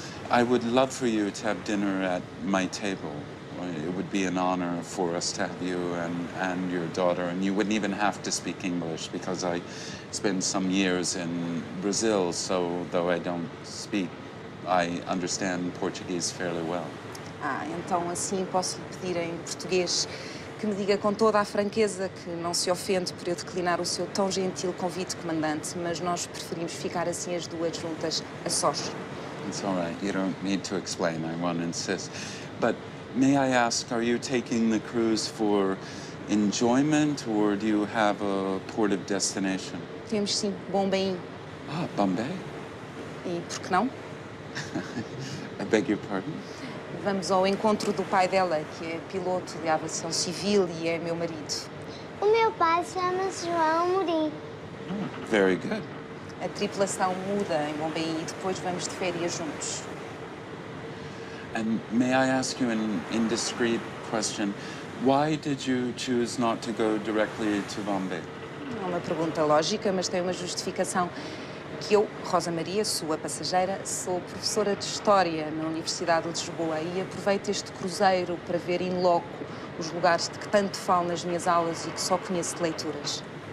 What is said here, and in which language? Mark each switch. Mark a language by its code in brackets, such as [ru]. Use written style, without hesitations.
[en] I would love for you to have dinner at my table. It would be an honor for us to have you and your daughter, and you wouldn't even have to speak English because I spent some years in Brazil, so though I don't speak, I understand Portuguese fairly well. [pt] Ah, então assim posso lhe pedir em português que me diga com toda a franqueza que não se ofende por eu declinar o seu tão gentil convite, comandante, mas nós preferimos ficar assim as duas juntas a sós. [en] It's all right. You don't need to explain. I won't insist. But may I ask, are you taking the cruise for enjoyment or do you have a port of destination? [pt] Temos sim, Bombay. Ah, Bombay? E por que não? [en] I beg your pardon? [pt] Vamos ao encontro do pai dela, que é piloto de aviação civil e é meu marido. O meu pai chama-se João Amorim. [en] Very good. [pt] A tripulação muda em Bombay e depois vamos de férias juntos. [en] And may I ask you an indiscreet question? Why did you choose not to go directly to Bombay? [pt] É uma pergunta lógica, mas tem uma justificação. Que eu, Rosa Maria, sua passageira, sou professora de História na Universidade de Lisboa e aproveito este cruzeiro para ver in loco os lugares de que tanto falo nas minhas aulas e que só conheço de leituras.